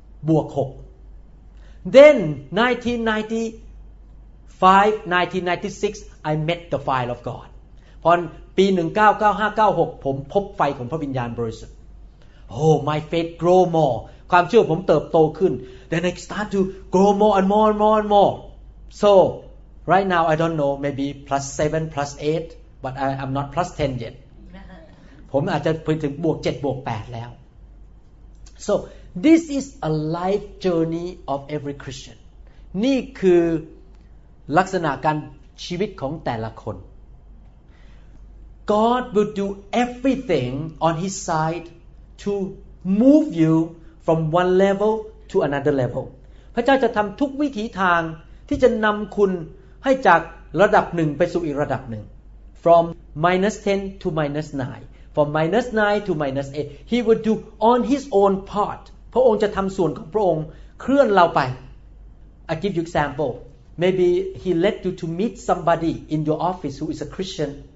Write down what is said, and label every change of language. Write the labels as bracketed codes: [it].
[en] บวก6 Then 1995 1996 I met the fire of God [th] พอปี1995-96ผมพบไฟของพระวิญญาณบริสุทธิ์ [en] Oh my faith grow more [th] ความเชื่อผมเติบโตขึ้น [en] Then I start to grow more and more and more and moreSo, right now I don't know, maybe plus 7, plus 8, but I'm not plus 10 yet. [th] ผมอาจจะไปถึงบวก 7, บวก 8 แล้ว. [en] So, this is a life journey of every Christian. [th] นี่คือลักษณะการชีวิตของแต่ละคน. [en] God will do everything on His side to move you from one level to another level. [th] พระเจ้าจะทำทุกวิถีทางที่จะนำคุณให้จากระดับ1ไปสู่อีกระดับ1 [en] from minus 10 to minus 9 from minus 9 to minus 8 he would do on his own part [th] พระองค์จะทำส่วนของพระองค์เคลื่อนเราไป [en] I give you example maybe he led you to meet somebody in your office who is a Christian